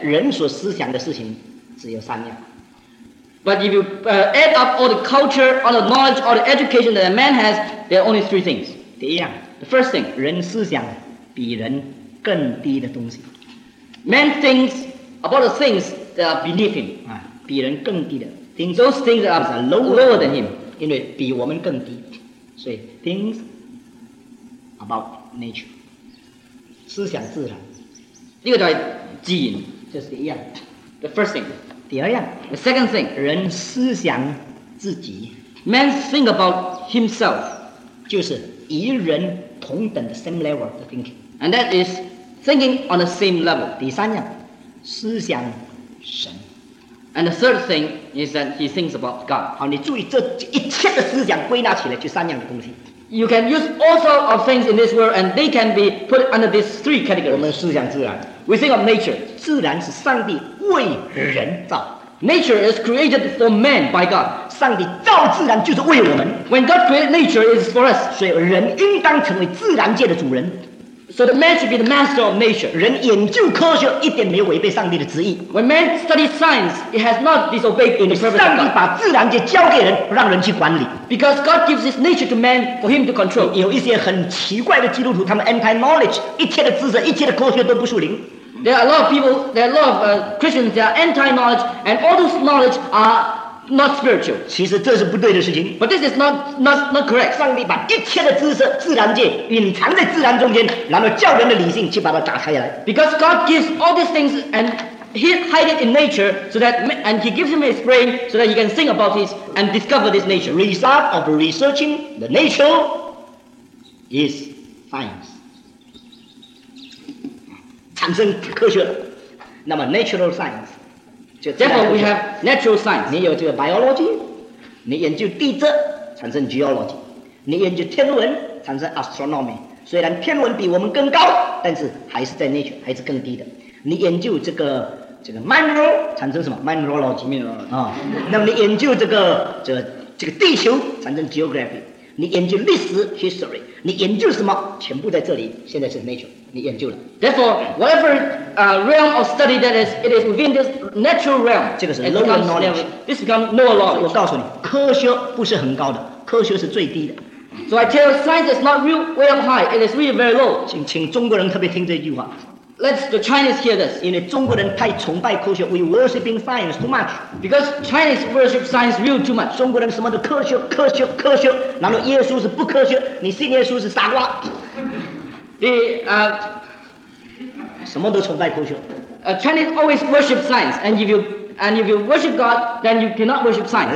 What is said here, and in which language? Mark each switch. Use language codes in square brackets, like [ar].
[zh] 人所思想的事情只有三样。 [en] But if you add up all the culture, all the knowledge, all the education that a man has, there are only three things. [zh] 第一样 [en] ，the first thing， [zh] 人思想比人更低的东西。 [en] Man thinks about the things that are beneath him. [zh] 比人更低的 [en] things. Those things that are lower than him. [zh] 因为比我们更低，所以 [en] things about nature. [zh] 思想自然。一个叫基因，就是一样。 [en] The first thing， [zh] 第二样。 [en] The second thing， [zh] 人思想自己。 [en] Man think about himself， [zh] 就是与人同等的 [en] same level [zh] 的 thinking。 [en] And that is thinking on the same level。 [zh] 第三样，思想神。 [en] And the third thing is that he thinks about God。 [zh] 好，你注意这一切的思想归纳起来就三样的东西。 [en] You can use all sorts of things in this world, and they can be put under these three categories. [zh] 我们思想自然。 [en] We think of nature. [zh] 自然是上帝为人造。 [en] Nature is created for man by God. [zh] 上帝造自然就是为我们。 [en] When God created nature, it is for us. [zh] 所以人应当成为自然界的主人。 [en] So the man should be the master of nature. [zh] 人研究科学一点没有违背上帝的旨意。 [en] When man studies science, it has not disobeyed the purpose of God. [zh] 上帝把自然界交给人，让人去管理。 [en] Because God gives his nature to man for him to control. [zh] 有一些很奇怪的基督徒，他们 [en] anti knowledge， [zh] 一切的知识，一切的科学都不属灵。 [en] There are a lot of people. There are a lot of Christians. They are anti knowledge, and all those knowledge are not spiritual. [zh] 其实这是不对的事情。 [en] But this is not correct. [zh] 上帝把一切的知识、自然界隐藏在自然中间，然后叫人的理性去把它打开来。 [en] Because God gives all these things and He hides it in nature, so that and He gives him his brain so that he can think about this and discover this nature. Result of researching the nature is science. [zh] 产生科学了，那么 [en] natural science。 Therefore, we have natural science. [zh] 你有这个 biology， 你研究地质产生 geology， 你研究天文产生 astronomy。虽然天文比我们更高，但是还是在 nature， 还是更低的。你研究这个 mineral 产生什么 mineralogy？啊、哦，那么你研究这个地球产生 geography。你研究历史 history， 你研究什么？全部在这里。现在是 nature， 你研究了。 [en] Therefore, whatever realm of study that is, it is within this natural realm. [zh] 这个是 [en] lower knowledge. This becomes lower knowledge. [zh] 我告诉你，科学不是很高的，科学是最低的。 [en] So I tell you, science is not real way up high. It is really very low. [zh] 请中国人特别听这句话。 [en] Let the Chinese hear this. [zh] 因为中国人太崇拜科学 ， [en] we worshiping science too much. Because Chinese worship science real too much. [zh] 中国人什么都科学，科学，科学。然后耶稣是不科学，你信耶稣是傻瓜。什么都崇拜科学。 [en] Chinese always worship science, and if you worship God, then you cannot worship science.